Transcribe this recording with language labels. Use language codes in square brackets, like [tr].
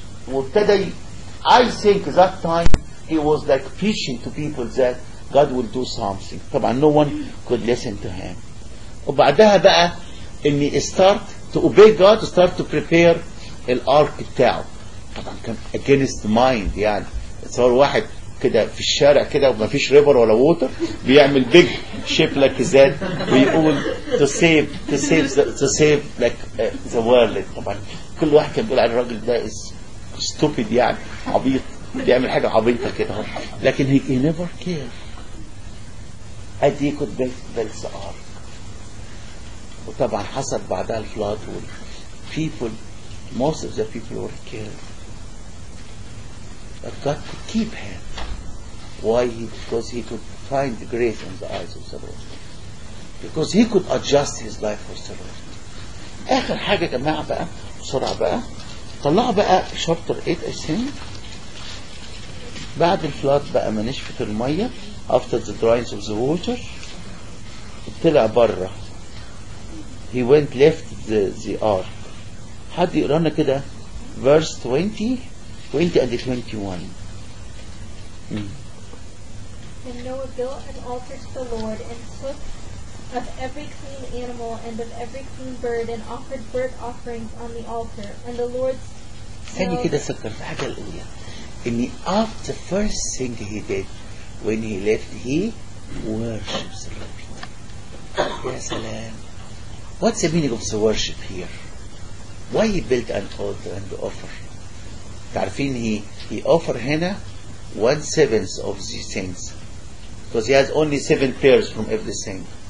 [ar] وابتدأ, [en] I think that time he was like preaching to people that God will do something. [ar] طبعا [en] no one could listen to him. [ar] وبعدها بقى اني [en] start to obey God, start to prepare the ark [ar] بتاعه. طبعا كان [en] against the mind, [ar] يعني صار واحد كده في الشارع كده وما فيش ريفر ولا ووتر بيعمل [en] big shape like that [ar] ويقول [en] to save like the world. [ar] طبعا كل واحد كان بيقول على الراجل ده [en] is stupid, [ar] يعني عبيط, بيعمل حاجة عبيطة كده, لكن [en] he never cared. And he could build the ark. [ar] وطبعا حصل بعدها الفلاد وال [en] people, most of the people were killed, but God could keep him. Why? Because he could find grace in the eyes of the Lord. Because he could adjust his life for the Lord. [ar] آخر حاجة جماعة بقى بسرعة بقى طلعوا بقى [en] chapter 8 I think. [ar] بعد الفلات بقى ما نشفت المية [en] after the drying of the water [ar] طلع برا. [en] He went left the ark. [ar] حد يقرانا كده [en] verse 20 and 21. And Noah built an altar to the Lord and took of every clean animal and of every clean bird and offered burnt offerings on the altar. And the Lord said, [ar] كده سكر في حاجة الأولى. [en] And after the first thing he did when he left, he worships the Lord. Yes, Alan. What's the meaning of the worship here? Why he built an altar and offered? [ar] تعرفين [en] he offered [ar] هنا [en] 1/7 of these things, because he has only 7 pairs from everything.